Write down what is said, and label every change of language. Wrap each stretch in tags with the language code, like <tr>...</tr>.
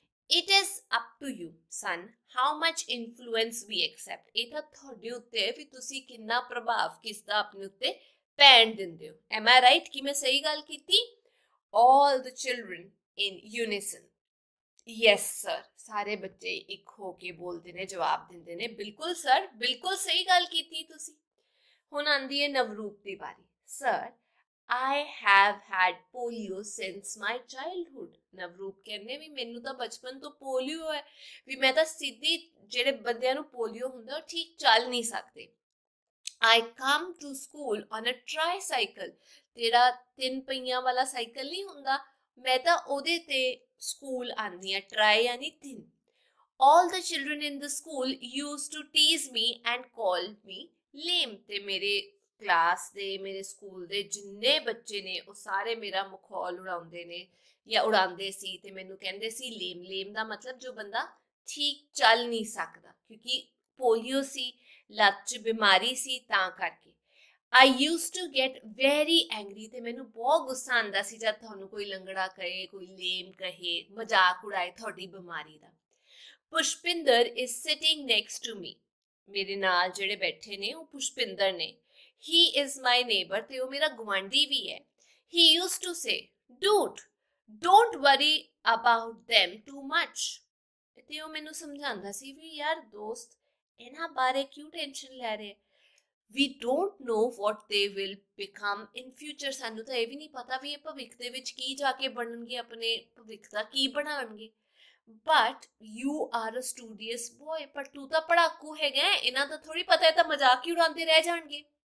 <en>it is up to you son how much influence we accept,</en> <pa>ਇਹ ਤਾਂ ਤੁਹਾਡੇ ਉੱਤੇ ਵੀ ਤੁਸੀਂ ਕਿੰਨਾ ਪ੍ਰਭਾਵ ਕਿਸ ਦਾ ਆਪਣੇ ਉੱਤੇ ਪੈਣ ਦਿੰਦੇ ਹੋ।</pa> <en>am I right,</en> <pa>ਕੀ ਮੈਂ ਸਹੀ ਗੱਲ ਕੀਤੀ?</pa> <en>all the children in unison, yes sir,</en> <pa>ਸਾਰੇ ਬੱਚੇ ਇੱਕ ਹੋ ਕੇ ਬੋਲਦੇ ਨੇ, ਜਵਾਬ ਦਿੰਦੇ ਨੇ, ਬਿਲਕੁਲ ਸਰ, ਬਿਲਕੁਲ ਸਹੀ ਗੱਲ ਕੀਤੀ ਤੁਸੀਂ। ਹੁਣ ਆਉਂਦੀ ਹੈ ਨਵਰੂਪ ਦੀ ਵਾਰੀ।</pa> <en>Sir I have had polio since my childhood.</en> <pa>Navroop ਕਹਿੰਦੇ ਵੀ ਮੈਨੂੰ ਤਾਂ ਬਚਪਨ ਤੋਂ ਪੋਲੀਓ ਹੈ, ਵੀ ਮੈਂ ਤਾਂ ਸਿੱਧੀ ਜਿਹੜੇ ਬੰਦਿਆਂ ਨੂੰ ਪੋਲੀਓ ਹੁੰਦਾ ਉਹ ਠੀਕ ਚੱਲ ਨਹੀਂ ਸਕਦੇ।</pa> <en>I come to school on a tricycle.</en> <pa>ਤੇਰਾ ਤਿੰਨ ਪਹੀਆਂ ਵਾਲਾ ਸਾਈਕਲ ਨਹੀਂ ਹੁੰਦਾ, ਮੈਂ ਤਾਂ ਉਹਦੇ ਤੇ ਸਕੂਲ ਆਉਂਦੀ ਹਾਂ, ਟਰਾਈ ਯਾਨੀ ਤਿੰਨ।</pa> <en>All the children in the school used to tease me and call me lame.</en> <pa>ਤੇ ਮੇਰੇ ਕਲਾਸ ਦੇ ਮੇਰੇ ਸਕੂਲ ਦੇ ਜਿੰਨੇ ਬੱਚੇ ਨੇ ਉਹ ਸਾਰੇ ਮੇਰਾ ਮਖੌਲ ਉਡਾਉਂਦੇ ਨੇ ਜਾਂ ਉਡਾਉਂਦੇ ਸੀ, ਤੇ ਮੈਨੂੰ ਕਹਿੰਦੇ ਸੀ ਲੇਮ। ਲੇਮ ਦਾ ਮਤਲਬ ਜੋ ਬੰਦਾ ਠੀਕ ਚੱਲ ਨਹੀਂ ਸਕਦਾ, ਕਿਉਂਕਿ ਪੋਲੀਓ ਸੀ, ਲੱਤ 'ਚ ਬਿਮਾਰੀ ਸੀ ਤਾਂ ਕਰਕੇ।</pa> <en>I used to get very angry,</en> <pa>ਤੇ ਮੈਨੂੰ ਬਹੁਤ ਗੁੱਸਾ ਆਉਂਦਾ ਸੀ ਜਦ ਤੁਹਾਨੂੰ ਕੋਈ ਲੰਗੜਾ ਕਹੇ, ਕੋਈ ਲੇਮ ਕਹੇ, ਮਜ਼ਾਕ ਉਡਾਏ ਤੁਹਾਡੀ ਬਿਮਾਰੀ ਦਾ। Pushpinder</pa> <en>is sitting next to me,</en> <pa>ਮੇਰੇ ਨਾਲ ਜਿਹੜੇ ਬੈਠੇ ਨੇ ਉਹ ਪੁਸ਼ਪਿੰਦਰ ਨੇ।</pa> <en>He is my neighbor,</en> <pa>ਤੇ ਉਹ ਮੇਰਾ ਗੁਆਂਢੀ ਵੀ ਹੈ।</pa> <en>He used to say, dude, don't worry about them too much.</en> <pa>ਤੇ ਉਹ ਮੈਨੂੰ ਸਮਝਾਉਂਦਾ ਸੀ ਵੀ ਯਾਰ ਦੋਸਤ ਇਹਨਾਂ ਬਾਰੇ ਕਿਉਂ ਟੈਨਸ਼ਨ ਲੈ ਰਹੇ,</pa> <en>We don't know what they will become in future.</en> <pa>ਸਾਨੂੰ ਤਾਂ ਇਹ ਵੀ ਨਹੀਂ ਪਤਾ ਵੀ ਇਹ ਭਵਿੱਖ ਦੇ ਵਿੱਚ ਕੀ ਜਾ ਕੇ ਬਣਨਗੇ, ਆਪਣੇ ਭਵਿੱਖ ਦਾ ਕੀ ਬਣਾਉਣਗੇ।</pa> <en>but you are a studious boy,</en> <pa>ਪਰ ਤੂੰ ਤਾਂ ਪੜਾਕੂ ਹੈਗਾ, ਇਹਨਾਂ ਦਾ ਥੋੜੀ ਪਤਾ ਹੈ, ਤਾਂ ਮਜ਼ਾਕ ਹੀ ਉਡਾਉਂਦੇ ਰਹਿ ਜਾਣਗੇ।</pa>